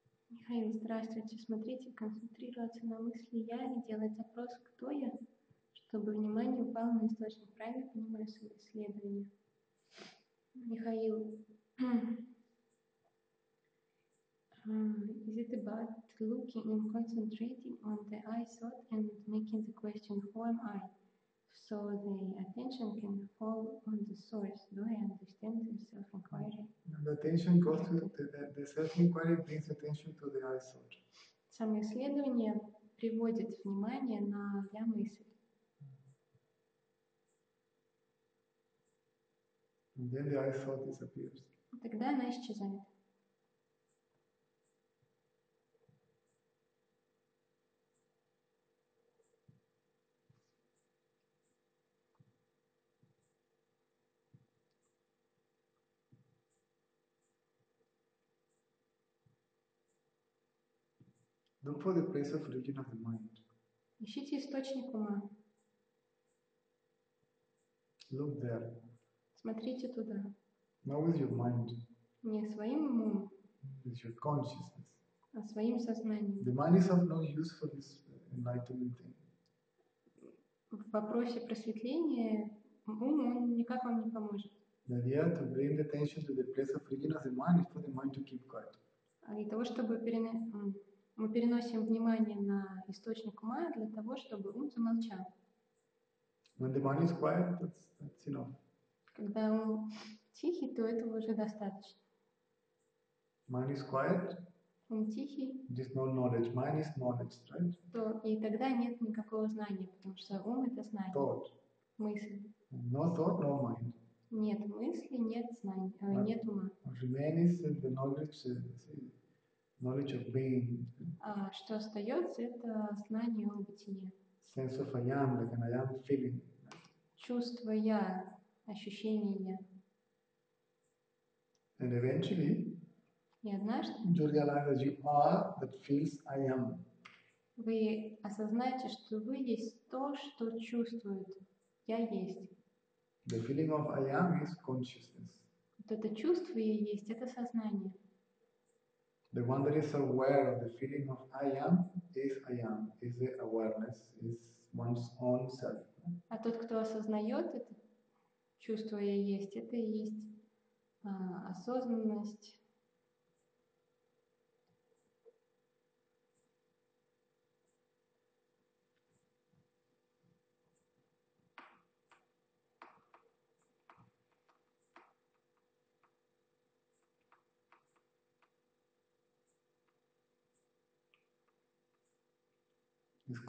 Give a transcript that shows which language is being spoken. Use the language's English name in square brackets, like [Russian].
[Russian] Михаил, здравствуйте. Смотрите, концентрироваться на мысли «я» и делать запрос «кто я?», чтобы внимание упало на источник. Правильно понимаю свое исследование? [English] Михаил, is it about looking and concentrating on the I thought and making the question «who am I?» so the attention can fall on the source? Do I understand the self-inquiry? The attention goes to the self-inquiry brings attention to the I thought. [Russian] Само исследование приводит внимание на я мысль. [English] And then the I thought disappears. [Russian] Тогда она исчезает. [English] Look for the place of origin of the mind. [Russian] Ищите источник ума. [English] Look there. [Russian] Смотрите туда. [English] Not with your mind. [Russian] Не своим умом. [English] With your consciousness. [Russian] А своим сознанием. [English] The mind is of no use for this enlightenment thing. [Russian] В вопросе просветления ум никак вам не поможет. [English] The idea to bring the attention to the place of origin of the mind is for the mind to keep quiet. [Russian] А для того, чтобы мы переносим внимание на источник ума для того, чтобы ум замолчал. [English] When the mind is quiet, that's enough. [Russian] Когда ум тихий, то этого уже достаточно. [English] Mind is quiet. [Russian] Ум тихий. [English] There's no knowledge. Mind is knowledge, right? [Russian] То и тогда нет никакого знания, потому что ум это знание. [English] Thought. [Russian] Мысль. [English] No thought, no mind. [Russian] Нет мысли, нет знания, нет ума. [English] Remain is the knowledge. Knowledge of being. [Russian] А что остается, это знание о бытии. [English] Sense of I am, like an I am feeling. [Russian] Чувство я, ощущение я. [English] And eventually. [Russian] И однажды. [English] You realize that you are that feels I am. [Russian] Вы осознаете, что вы есть то, что чувствует. Я есть. [English] The feeling of I am is consciousness. [Russian] Вот это чувство я есть, это сознание. [English] The one that is aware of the feeling of I am, is the awareness, is one's own self. [Russian] А тот, кто осознает это чувство «я есть», это и есть осознанность. [English] It's